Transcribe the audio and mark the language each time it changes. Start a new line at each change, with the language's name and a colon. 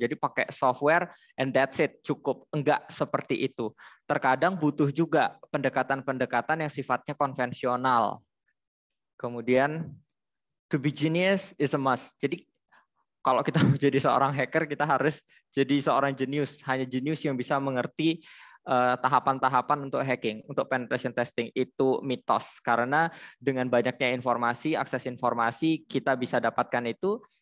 Indonesian: Jadi pakai software
English: and that's it,
Indonesian: cukup. Enggak seperti itu. Terkadang butuh juga pendekatan-pendekatan yang sifatnya konvensional.
English: Kemudian, to be genius is a must.
Indonesian: Jadi kalau kita menjadi seorang hacker, kita harus jadi seorang genius. Hanya genius yang bisa mengerti tahapan-tahapan untuk hacking, untuk penetration testing, itu mitos. Karena dengan banyaknya informasi, akses informasi, kita bisa dapatkan itu.